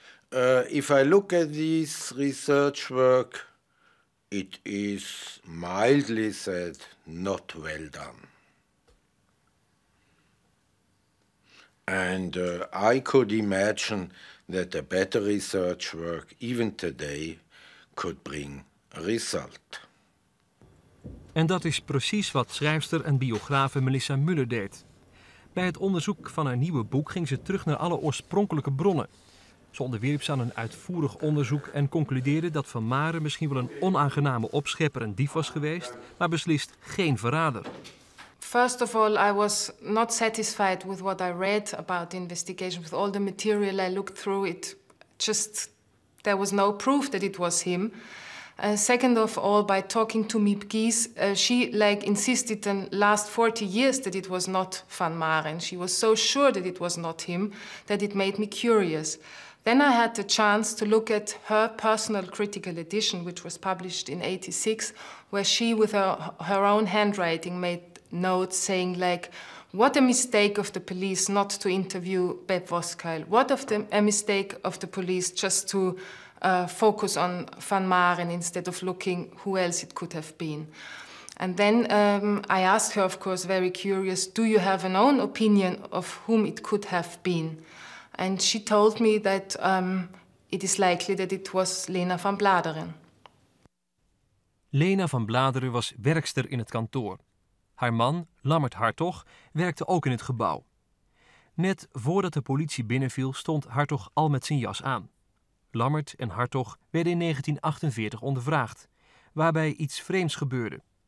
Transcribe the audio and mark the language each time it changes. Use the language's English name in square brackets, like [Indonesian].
[English] If I look at this research work, it is mildly said not well done. And I could imagine that a better research work, even today, could bring a result. [Dutch] En dat is precies wat schrijfster en biografe Melissa Müller deed. Bij het onderzoek van haar nieuwe boek ging ze terug naar alle oorspronkelijke bronnen. Ze onderwierp ze aan een uitvoerig onderzoek en concludeerde dat Van Maren misschien wel een onaangename opschepper en dief was geweest, maar beslist geen verrader. [English] First of all, I was not satisfied with what I read about the investigation. With all the material I looked through, it just, there was no proof that it was him. Second of all, by talking to Miep Gies, she like insisted in the last 40 years that it was not Van Maren. She was so sure that it was not him that it made me curious. Then I had the chance to look at her personal critical edition, which was published in 86, where she, with her own handwriting, made notes saying like, What a mistake of the police not to interview Beb Voskuil. What of a mistake of the police just to focus on Van Maren instead of looking who else it could have been. And then I asked her, of course, very curious, do you have an own opinion of whom it could have been? And she told me that it is likely that it was Lena van Bladeren. [Dutch] Lena van Bladeren was werkster in het kantoor. Haar man, Lammert Hartog, werkte ook in het gebouw. Net voordat de politie binnenviel, stond Hartog al met zijn jas aan. Lammert en Hartog werden in 1948 ondervraagd, waarbij iets vreemds gebeurde.